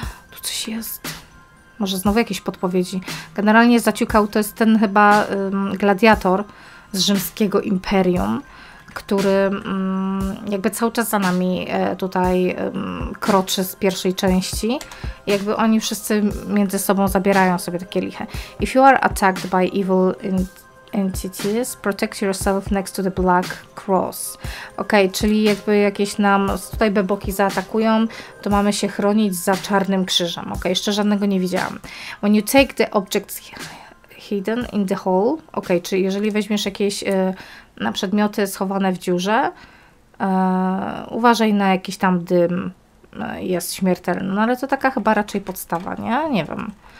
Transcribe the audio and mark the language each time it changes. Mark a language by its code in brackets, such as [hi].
[pl] Tu coś jest. Może znowu jakieś podpowiedzi. Generalnie zaciukał, to jest ten chyba gladiator z rzymskiego imperium, który jakby cały czas za nami tutaj kroczy z pierwszej części. Jakby oni wszyscy między sobą zabierają sobie takie liche. [en] If you are attacked by evil entities, protect yourself next to the black cross. [pl] Okej, okay, czyli jakby jakieś nam tutaj beboki zaatakują, to mamy się chronić za czarnym krzyżem. Okej, okay, jeszcze żadnego nie widziałam. [en] When you take the objects hidden in the hole, [pl] okej, okay, czyli jeżeli weźmiesz jakieś na przedmioty schowane w dziurze, uważaj na jakiś tam dym, jest śmiertelny. No ale to taka chyba raczej podstawa, nie? Nie wiem.